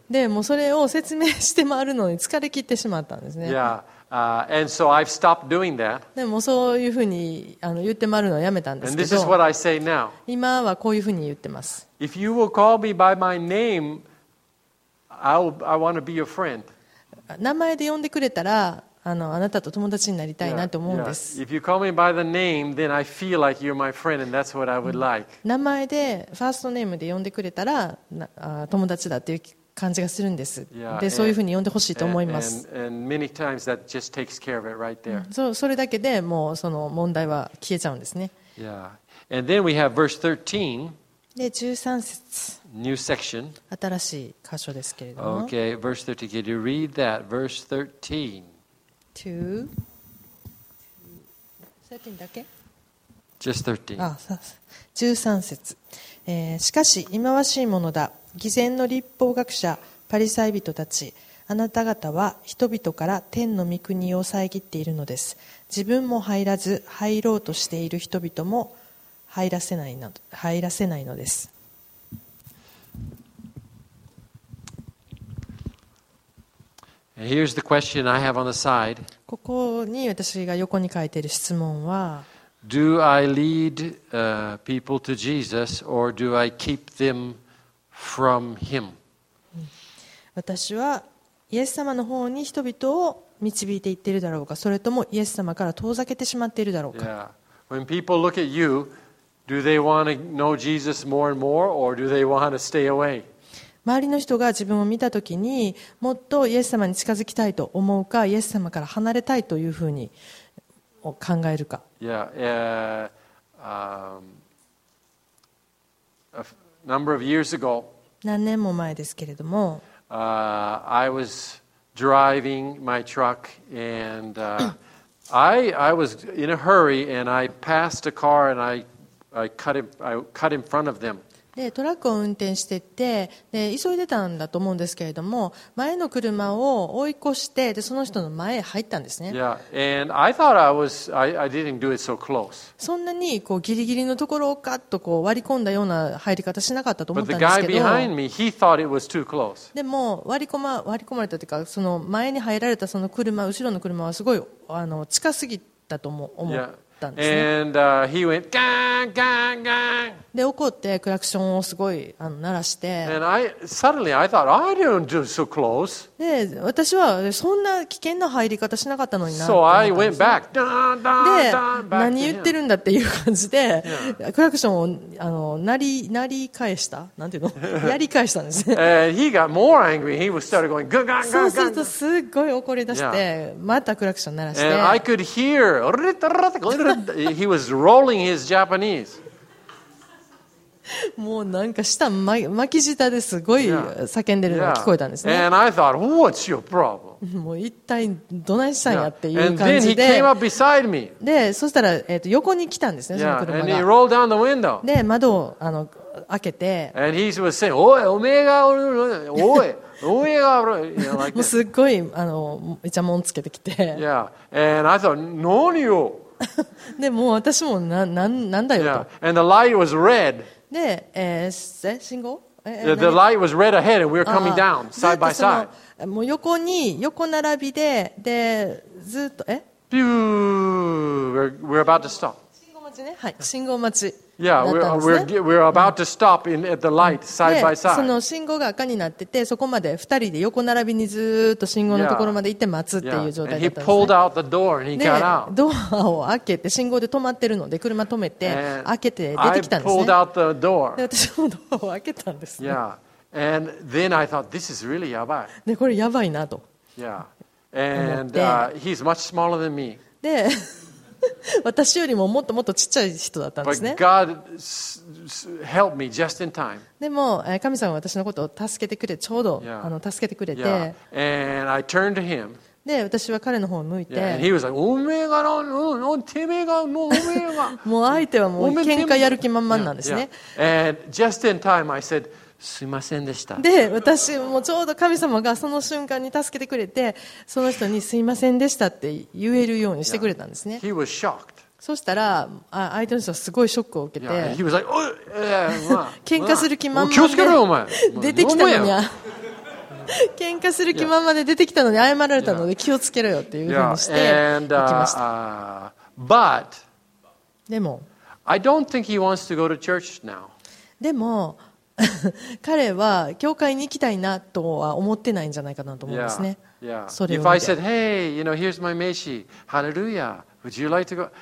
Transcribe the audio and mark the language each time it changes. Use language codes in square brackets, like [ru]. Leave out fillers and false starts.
[ja] でもそれを説明して回るのに疲れ切ってしまったんですね。 [en] Yeah. And so I've stopped doing that. [ja] でもそういうふうに言って回るのをやめたんですけど。 [en] And this is what I say now. [ja] 今はこういうふうに言ってます。 [en] If you will call me by my name, I want to be your friend. [ja] 名前で呼んでくれたら、あなたと友達になりたいなと思うんです。 [en] If you call me by the name, then I feel like you're my friend, and that's what I would like. [ja] 名前で、ファーストネームで呼んでくれたら、友達だっていう感じがするんです。で、そういうふうに呼んでほしいと思います。 [en] And many times that just takes care of it right there. [ja] それだけでもうその問題は消えちゃうんですね。 [en] Yeah. And then we have verse 13. [ja] で、13節。 [en] New section. [ja] 新しい箇所ですけれども。 [en] Okay, verse 13. Could you read that? Verse 13. [ja] 13だけ [en] Just 13. [ja] ああ13節、しかし忌まわしいものだ偽善の律法学者パリサイ人たちあなた方は人々から天の御国を遮っているのです自分も入らず入ろうとしている人々も入らせないのです [en] Here's the question I have on the side. [ja] ここに私が横に書いている質問は、 [en] Do I lead people to Jesus or do I keep them from Him? [ja] 私はイエス様の方に人々を導いていってるだろうか、それともイエス様から遠ざけてしまっているだろうか。 [en] Yeah. When people look at you, do they want to know Jesus more and more or do they want to stay away? [ja] 周りの人が自分を見たときにもっとイエス様に近づきたいと思うかイエス様から離れたいというふうに考えるか。 [en] Yeah, a number of years ago, [ja] 何年も前ですけれども、 [en] I was driving my truck and I was in a hurry and I passed a car and I cut in front of them. [ja] でトラックを運転してて、で急いでたんだと思うんですけれども、前の車を追い越して、でその人の前へ入ったんですね。 [en] Yeah. And I thought I was, I didn't do it so close. [ja] そんなにこうギリギリのところをカッとこう割り込んだような入り方しなかったと思ったんですけど。 [en] But the guy behind me, he thought it was too close. [ja] でも割り込まれたというか、その前に入られたその車、後ろの車はすごい近すぎたと思う。 [en] Yeah. And he went ガンガンガン。 [ja] で怒ってクラクションをすごい鳴らして。 [en] And I suddenly I thought I didn't do so close。 [ja] で私はそんな危険な入り方しなかったのにな。 [en] So I went back。 [ja] で何言ってるんだっていう感じで、クラクションを鳴り返した。なんていうの？やり返したんですね。 [en] And he got more angry. He started going ガンガンガンガン。 [ja] そうするとすごい怒り出して、またクラクション鳴らして。 [en] And I could hear ルルルルルル。 He was rolling his Japanese. [ja] もうなんか舌巻き舌ですごい叫んでるのが聞こえたんですね。 [en] And I thought, what's your problem? [ja] もう一体どないしたんやっていう感じで。 [en] And then he came up beside me. [ja] で、そしたら横に来たんですね、その車が。 [en] And he rolled down the window. [ja] で、窓を開けて。 [en] And he was saying, [ja] おい、おめえが、おい、おい。もうすっごいイチャモンつけてきて。 [en] Yeah. And I thought, [ja] 何よ。でもう私も なんだよと。 [en] Yeah. And the light was red. [ja] で、信号？ [en] The light was red ahead and we were coming down side by side. [ja] もう横並びで、でずっと [en] ビュー we're about to stop. [ja] 信号待ちね。はい、信号待ち。 [en] Yeah, we're about to stop in at the light side by side. [ja] その信号が赤になってて、そこまで2人で横並びにずっと信号のところまで行って待つっていう状態だったんですね。 [en] Yeah. Yeah. And he pulled out the door and he got out. [ja] ドアを開けて、信号で止まってるので車止めて開けて出てきたんですね。 [en] I pulled out the door. [ja] で私もドアを開けたんですね。 [en] Yeah. And then I thought this is really [ja] やばい。でこれやばいなと。 [en] Yeah. And he's much smaller than me. [ja] で私よりももっともっとちっちゃい人だったんですね。 [en] But God helped me just in time. [ja] でも神様は私のことを助けてくれ、ちょうど助けてくれて。 [en] Yeah. And I turned to him. [ja] で私は彼の方を向いて。 [en] Yeah. And he was like, [ja] おめえがな、うん、てめえが、もうおめえが。もう相手はもう喧嘩やる気満々なんですね。 [en] Yeah. Yeah. And just in time, I said, [ja] すいませんでした。で、私もちょうど神様がその瞬間に助けてくれて、その人にすいませんでしたって言えるようにしてくれたんですね。 [en] Yeah. He was shocked. [ja] そしたら、相手の人はすごいショックを受けて、 [en] Yeah. He was like, oh, yeah, well, [ja] 喧嘩する気満々で、気をつけろお前。出てきたのに、喧嘩する気満々で出てきたのに謝られたので気をつけろよっていうふうにして行きました。 [en] Yeah. And, [ja] でも、 [en] I don't think he wants to go to church now. [ja] でも、彼は教会に行きたいなとは思ってないんじゃないかなと思うんですね。それを見て。 [en] If I said, hey, you know, here's my 名刺、Hallelujah, would you like to go?